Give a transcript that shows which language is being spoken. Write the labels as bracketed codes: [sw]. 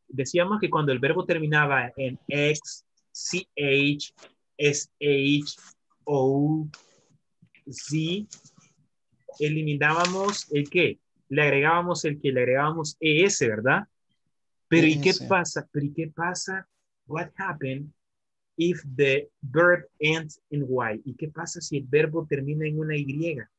[es] Decíamos que cuando el verbo terminaba en X, CH, SH, O, Z, eliminábamos el qué. Le agregábamos el que, le agregábamos ES, ¿verdad? Pero ¿y qué pasa? Pero ¿y qué pasa? [en] What happened if the verb ends in Y? [es] ¿Y qué pasa si el verbo termina en una Y?